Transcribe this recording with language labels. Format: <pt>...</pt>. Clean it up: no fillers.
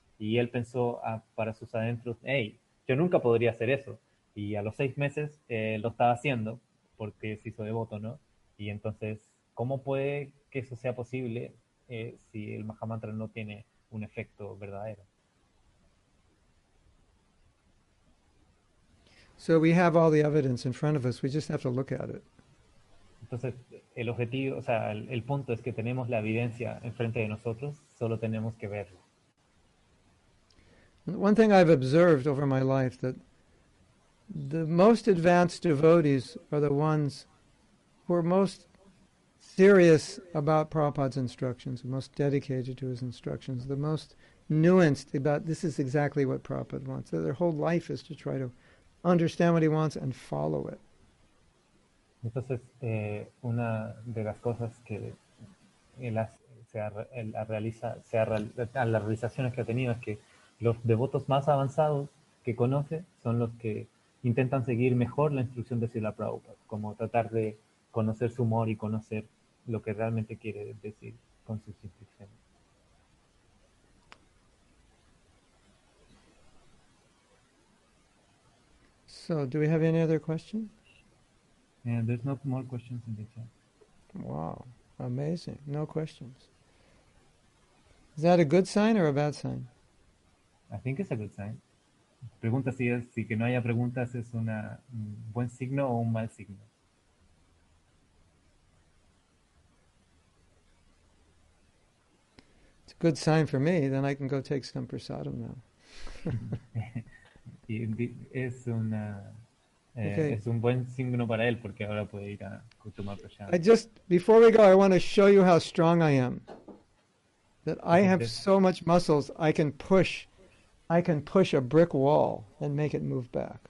<es>Y él pensó para sus adentros, hey, yo nunca podría hacer eso. Y a los 6 meses lo estaba haciendo porque se hizo devoto, ¿no? Y entonces, ¿cómo puede que eso sea posible si el Mahamantra no tiene un efecto verdadero?</es> <en>So we have all the evidence in front of us. We just have to look at it.</en> <es>Entonces, el objetivo, o sea, el punto es que tenemos la evidencia enfrente de nosotros, solo tenemos que verlo.</es> <en>One thing I've observed over my life that the most advanced devotees are the ones who are most serious about Prabhupada's instructions, the most dedicated to his instructions, the most nuanced about this is exactly what Prabhupada wants. So their whole life is to try to understand what he wants and follow it.</en> <es>Entonces, una de las cosas que las realizaciones que ha tenido es que los devotos más avanzados que conoce son los que intentan seguir mejor la instrucción de Srila Prabhupada, como tratar de conocer su humor y conocer lo que realmente quiere decir con sus instrucciones.</es> <en>So, do we have any other questions? And there's no more questions in the chat. Wow, amazing. No questions. Is that a good sign or a bad sign? I think it's a good sign.</en> <es>Pregunta si que no haya preguntas es un buen signo o un mal signo.</es> <en>It's a good sign for me, then I can go take some prasadam now.</en> <es>Es un buen signo para él porque ahora puede ir a tomar prasadam.</es> <en>Before we go, I want to show you how strong I am. That I have so much muscles, I can push a brick wall and make it move back.</en>